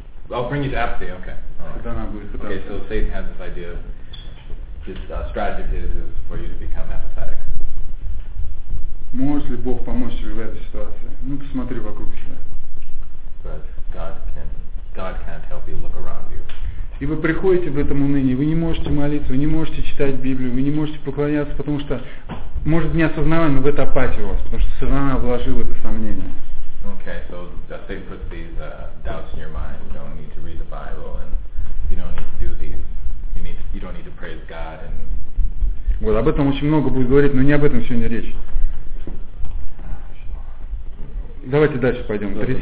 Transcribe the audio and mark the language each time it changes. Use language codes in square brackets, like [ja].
[en] I'll bring you to apathy, okay. Okay, so Satan has this idea, this strategy is for you to become apathetic. [ru] Может ли Бог помочь тебе в этой ситуации? Ну, посмотри вокруг себя. [en] But God can't help you look around you. [ru] И вы приходите в этом унынии, вы не можете молиться, вы не можете читать Библию, вы не можете поклоняться, потому что, может, не осознавая, но в это апатия у вас, потому что сатана вложил это сомнение. [en] Okay, so Satan puts these doubts in your mind. You don't need to read the Bible, and you don't need to do these. You don't need to praise God. And [ru] вот об этом очень много будет говорить, но не об этом сегодня речь. Давайте дальше пойдем.